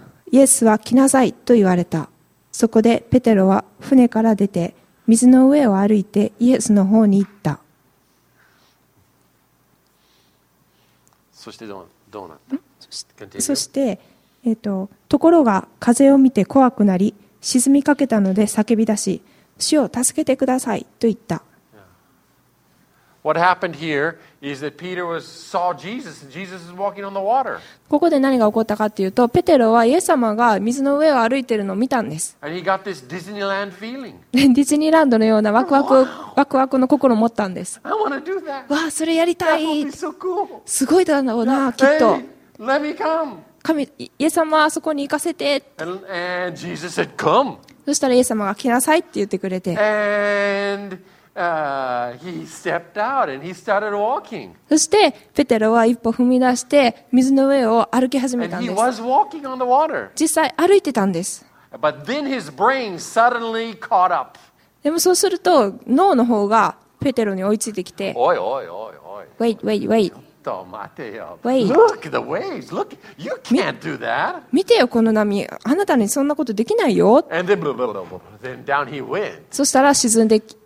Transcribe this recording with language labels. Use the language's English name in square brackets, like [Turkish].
[Japanese] イエスは来なさいと言われた。そこでペテロは船から出て水の上を歩いてイエスの方に行った。そしてどうなった？そして、ところが風を見て怖くなり、沈みかけたので叫び出し、主を助けてくださいと言った。 [English] What happened here is that Peter saw Jesus and Jesus is walking on the water. [Japanese] ここで何が起こったかっていうと、ペテロはイエス様が水の上を歩いているのを見たんです。 [English] And he got this Disneyland feeling. [Japanese] ディズニーランドのようなワクワクの心を持ったんです。 [English] I want to do that. [Japanese] わあ、それやりたい。 [English] That would be so cool. [Japanese] すごいだろうな、きっと。 [English] Hey, let me come. [Japanese] 神、イエス様あそこに行かせて。 [English] And Jesus said, come. [Japanese] そしたらイエス様が来なさいって言ってくれて。 [English] And... he stepped out and he started walking. [Japanese] そしてペテロは一歩踏み出して水の上を歩き始めたんです。 [English] And he was walking on the water. [Japanese] 実際歩いてたんです。 [English] But then his brain suddenly caught up. [Japanese] でもそうすると脳の方がペテロに追いついてきて、おいおいおいおい。 [English] Wait, wait, wait. [Japanese] ちょっと待てよ。 [English] Wait. Look the waves. Look, you can't do that. [Japanese] 見てよこの波。あなたにそんなことできないよ。 [English] And then, blah, blah, blah, blah. Then down he went. [Japanese] そしたら沈んでいって。